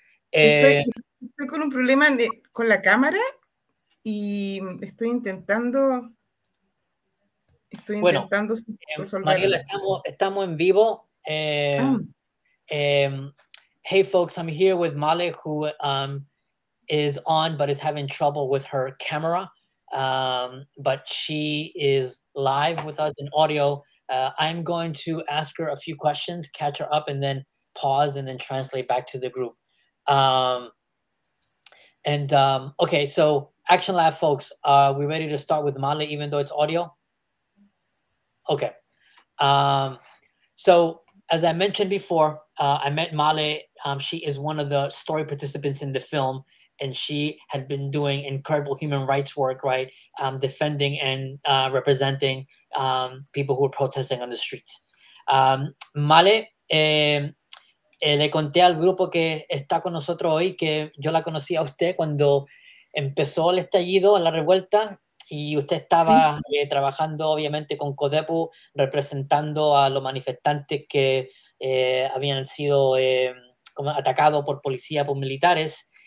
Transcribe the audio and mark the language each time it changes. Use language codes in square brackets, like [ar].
[es] Estoy con un problema con la cámara y estoy intentando... Mariela, estamos en vivo. [en] Hey, folks, I'm here with Male, who is on but is having trouble with her camera. But she is live with us in audio. I'm going to ask her a few questions, catch her up, and then pause and then translate back to the group. Okay, so Action Lab, folks, are we ready to start with Male, even though it's audio? Okay. So as I mentioned before, I met Male. She is one of the story participants in the film, and she had been doing incredible human rights work, right? Defending and representing people who are protesting on the streets. [es] Male, le conté al grupo que está con nosotros hoy que yo la conocí a usted cuando empezó el estallido, la revuelta. Y usted estaba sí. Trabajando, obviamente, con CODEPU, representando a los manifestantes que habían sido atacados por policía, por militares.